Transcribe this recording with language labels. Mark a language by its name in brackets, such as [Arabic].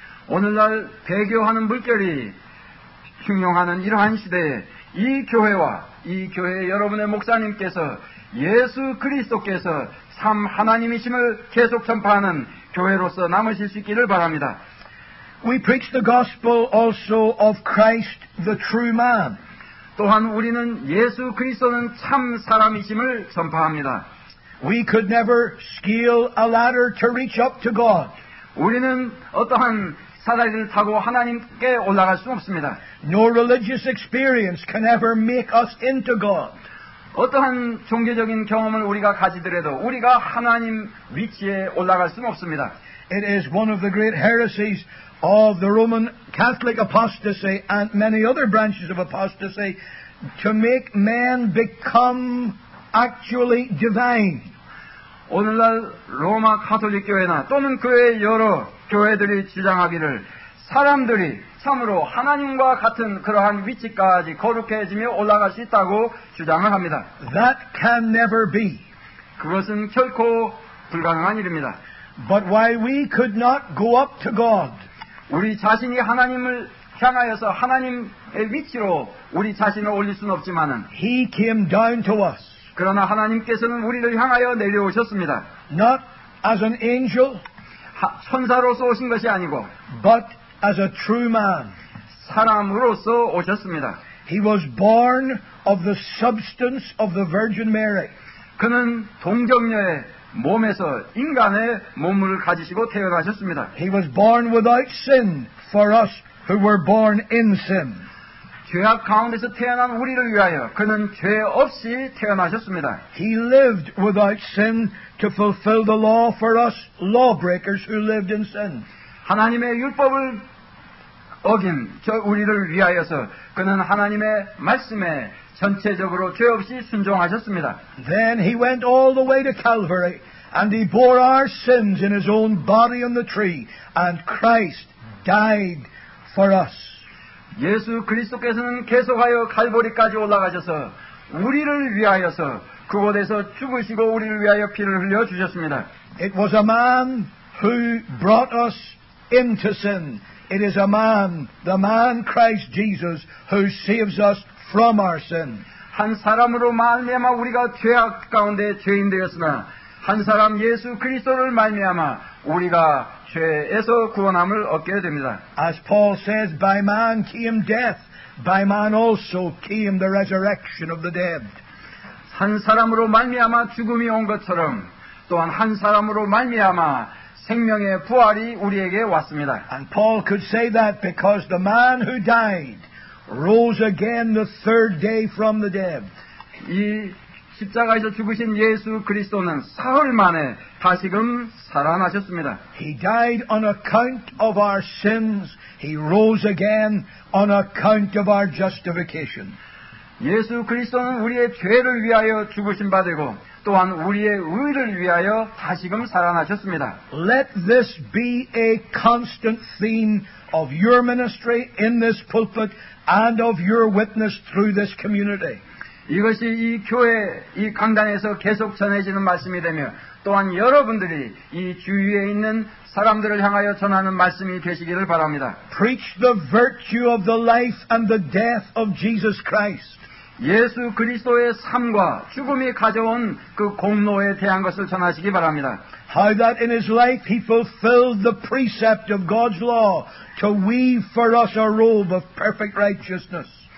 [Korean] 오늘날 배교하는 물결이 흉흉하는 이러한 시대에 이 교회와 이 교회 여러분의 목사님께서 예수 그리스도께서 참 하나님이심을 계속 전파하는 교회로서 남으실 수 있기를 바랍니다. [English] We preach the gospel also of Christ, the true man. [Korean] 또한 우리는 예수 그리스도는 참 사람이심을 전파합니다. [English] We could never scale a ladder to reach up to God. [Korean] 우리는 어떠한 사다리를 타고 하나님께 올라갈 수 없습니다. [English] No religious experience can ever make us into God. [Korean] 어떠한 종교적인 경험을 우리가 가지더라도 우리가 하나님 위치에 올라갈 수 없습니다. [English] It is one of the great heresies of the Roman Catholic apostasy and many other branches of apostasy to make men become actually divine. [Korean] 오늘날 로마 가톨릭 교회나 또는 그의 여러 교회들이 주장하기를 사람들이 참으로 하나님과 같은 그러한 위치까지 거룩해지며 올라갈 수 있다고 주장을 합니다. [English] That can never be. [Korean] 그것은 결코 불가능한 일입니다. [English] But while we could not go up to God, [Korean] 우리 자신이 하나님을 향하여서 하나님의 위치로 우리 자신을 올릴 수는 없지만은 [English] He came down to us. [Korean] 그러나 하나님께서는 우리를 향하여 내려오셨습니다. [English] Not as an angel, [Korean] 천사로서 오신 것이 아니고 [English] but as a true man. [Korean] 사람으로서 오셨습니다. [English] He was born of the substance of the Virgin Mary. [Korean] 그는 동정녀의 몸에서 인간의 몸을 가지시고 태어나셨습니다. [English] He was born without sin for us who were born in sin. [Korean] 죄악 가운데서 태어난 우리를 위하여 그는 죄 없이 태어나셨습니다. [English] He lived without sin to fulfill the law for us lawbreakers who lived in sin. [Korean] 하나님의 율법을 어긴 저 우리를 위하여서 그는 하나님의 말씀에 전체적으로 죄 없이 순종하셨습니다. [English] Then he went all the way to Calvary and he bore our sins in his own body on the tree and Christ died for us. [Korean] 예수 그리스도께서는 계속하여 갈보리까지 올라가셔서 우리를 위하여서 그곳에서 죽으시고 우리를 위하여 피를 흘려 주셨습니다. [English] It was a man who brought us into sin. It is a man, the man Christ Jesus, who saves us from our sin. [Korean] 한 사람으로 말미암아 우리가 죄악 가운데 죄인 되었으나 한 사람 예수 그리스도를 말미암아 우리가 죄에서 구원함을 얻게 됩니다. [English] As Paul says, by man came death, by man also came the resurrection of the dead. [Korean] 한 사람으로 말미암아 죽음이 온 것처럼 또한 한 사람으로 말미암아 생명의 부활이 우리에게 왔습니다. [English] And Paul could say that because the man who died rose again the third day from the dead. [Korean] 이 십자가에서 죽으신 예수 그리스도는 사흘 만에 다시금 살아나셨습니다. [English] He died on account of our sins. He rose again on account of our justification. [Korean] 예수 그리스도는 우리의 죄를 위하여 죽으신 바 되고 또한 우리의 의를 위하여 다시금 살아나셨습니다. [English] Let this be a constant theme of your ministry in this pulpit and of your witness through this community. [Korean] 이것이 이 교회, 이 강단에서 계속 전해지는 말씀이 되며 또한 여러분들이 이 주위에 있는 사람들을 향하여 전하는 말씀이 되시기를 바랍니다. [English] Preach the virtue of the life and the death of Jesus Christ. [Korean] 예수 그리스도의 삶과 죽음이 가져온 그 공로에 대한 것을 전하시기 바랍니다. [English] How that in his life he fulfilled the precept of God's law to weave for us a robe of perfect righteousness.